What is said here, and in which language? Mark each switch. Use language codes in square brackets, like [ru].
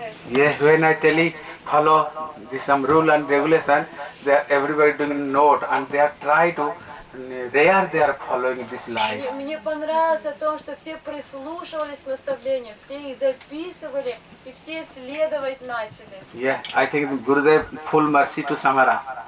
[en] Yes, when I tell you follow this some rule and regulation, they are everybody doing note and they are trying to they are following this life. [ru] Мне понравилось о том, что все прислушивались к наставлениям, все их записывали и все следовать начали. [en] Yeah, I think Gurudev full mercy to Samara.